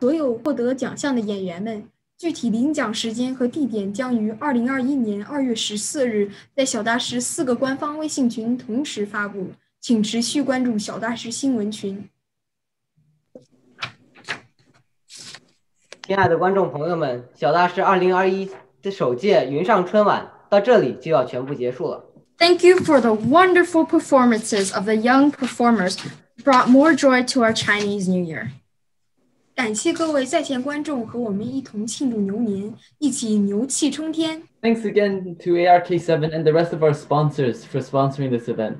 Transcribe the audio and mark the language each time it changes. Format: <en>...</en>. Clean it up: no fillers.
<zh>所有获得奖项的演员们，具体领奖时间和地点将于2021年2月14日在小大师四个官方微信群同时发布，请持续关注小大师新闻群。亲爱的观众朋友们，小大师2021的首届云上春晚到这里就要全部结束了。</zh> <en>Thank you for the wonderful performances of the young performers brought more joy to our Chinese New Year.</en> <zh>感谢各位在线观众和我们一同庆祝牛年，一起牛气冲天。</zh> <en>Thanks again to ARK7 and the rest of our sponsors for sponsoring this event.</en>